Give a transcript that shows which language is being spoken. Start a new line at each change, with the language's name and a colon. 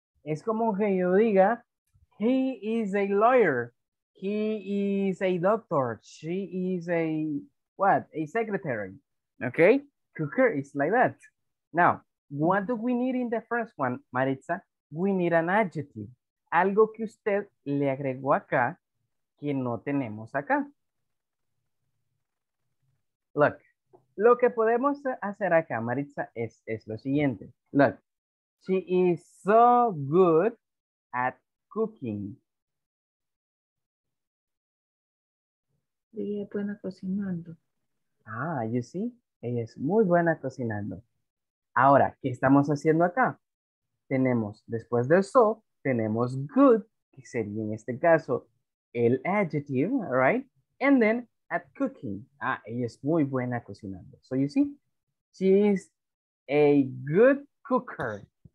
Spanish: Es como que yo diga,
English: he is a lawyer. He is a doctor. She is a, what? A secretary. ¿Ok? Cooker is like that. Now, what do we need in the first one, Maritza? We need an adjective.
Spanish: Algo que usted le agregó acá, que no tenemos acá. Look, lo que podemos hacer acá, Maritza, es lo siguiente.
English: Look, she is so good at cooking.
Spanish: Ella es buena cocinando. Ah,
English: you see,
Spanish: ella es muy buena cocinando. Ahora, ¿qué estamos haciendo acá? Tenemos, después del so, tenemos good, que sería en este caso el adjective, right?
English: And then at cooking.
Spanish: Ah, ella es muy buena cocinando.
English: So you see, she is a good cooker.